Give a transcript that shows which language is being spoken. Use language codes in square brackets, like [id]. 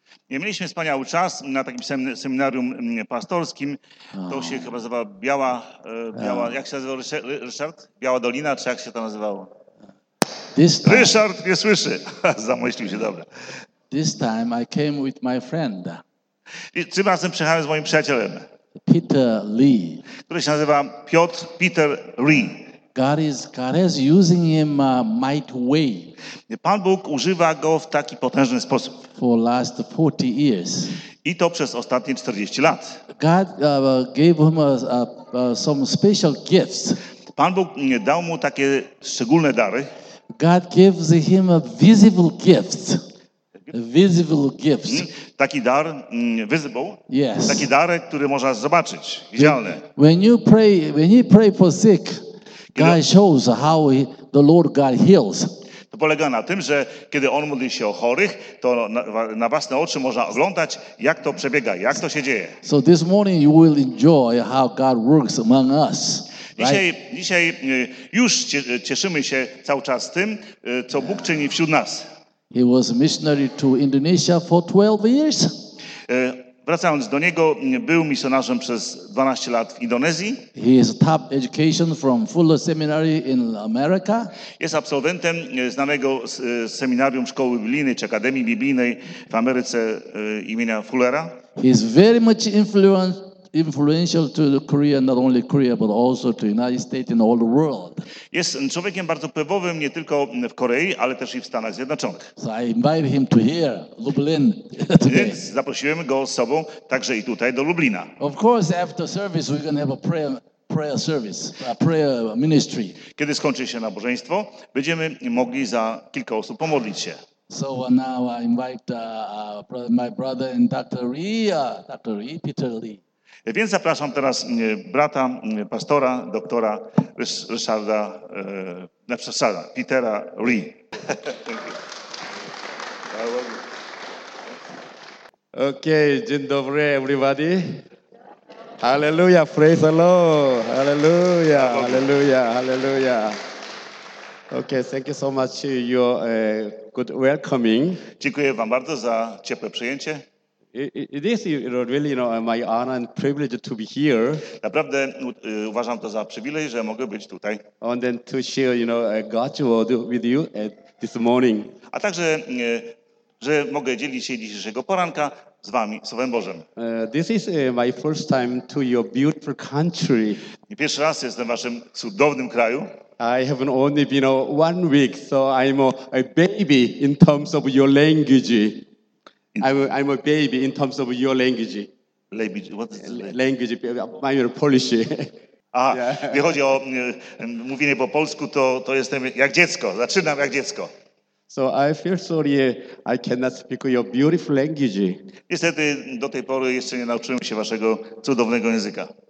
[pl] Mieliśmy wspaniały czas na takim seminarium pastorskim. To się chyba nazywało Biała, jak się nazywał Ryszard? Biała Dolina, czy jak się to nazywało? [en] This time, [pl] Ryszard nie słyszy. Zamyślił się, dobra. [en] This time I came with my friend. [pl] I tym razem przyjechałem z moim przyjacielem. [en] Peter Lee. [pl] Który się nazywa Piotr Peter Lee. [en] God is using him might way. [pl] Pan Bóg używa go w taki potężny sposób. [en] For last 40 years. [pl] I to przez ostatnie 40 lat. [en] God gave him some special gifts. [pl] Pan Bóg dał mu takie szczególne dary. [en] God gives him a visible gift. Visible gifts. [pl] Taki dar, visible. [en] Yes. [pl] Taki dar, który można zobaczyć, widzialny. [en] When you pray for sick, God shows how the Lord God heals. [pl] To polega na tym, że kiedy on modli się o chorych, to na własne oczy można oglądać, jak to przebiega, jak to się dzieje. [en] So this morning you will enjoy how God works among us. [pl] Dzisiaj już cieszymy się cały czas tym, co Bóg czyni wśród nas. [en] He was missionary to Indonesia for 12 years. [pl] Wracając do niego, był misjonarzem przez 12 lat w Indonezji. [en] He is top education from Fuller Seminary in America. [pl] Jest absolwentem znanego seminarium szkoły biblijnej czy akademii biblijnej w Ameryce imienia Fullera. [en] He is very much influential to the Korea, not only Korea, but also to the United States and all the world. [pl] Jest człowiekiem bardzo wpływowym nie tylko w Korei, ale też i w Stanach Zjednoczonych. [en] So I invited him to here, Lublin. [pl] Więc zaprosiłem go z sobą także i tutaj do Lublina. [en] Of course, after service we're gonna have a prayer service, a prayer ministry. [pl] Kiedy skończy się nabożeństwo, będziemy mogli za kilka osób pomodlić się. [en] So now I invite my brother and Dr. Lee, Peter Lee. [pl] Więc zapraszam teraz brata, pastora, doktora Ryszarda, Ryszarda, Petera Lee. [en] Okay, [pl] dzień dobry, [en] everybody. Hallelujah, praise the Lord. Hallelujah, hallelujah, hallelujah. Okay, thank you so much for your good welcoming. [pl] Dziękuję wam bardzo za ciepłe przyjęcie. [en] This is really, you know, my honor and privilege to be here. [pl] Naprawdę uważam to za przywilej, że mogę być tutaj. [en] And then to share, you know, God's word with you this morning. [pl] A także, że mogę dzielić się dzisiejszego poranka z wami, Słowem Bożym. [en] This is my first time to your beautiful country. [pl] Pierwszy raz jestem w waszym cudownym kraju. [en] I have only been one week, so I'm a baby in terms of your language. I'm a baby in terms of your language. Language, my Polish. [pl] Aha, jeśli chodzi o mówienie po polsku, to jestem jak dziecko. Zaczynam jak dziecko. [en] So I feel sorry I cannot speak your beautiful language. [pl] Niestety do tej pory jeszcze nie nauczyłem się waszego cudownego języka.